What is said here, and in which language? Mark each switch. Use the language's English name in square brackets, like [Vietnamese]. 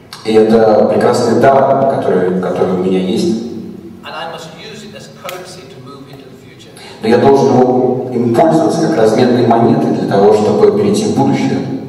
[Russian] И это прекрасный дар, который у меня есть. [English] And I must use it as currency to move into the future. [Russian] Но я должен им пользоваться как разменной монетой для того, чтобы перейти в будущее.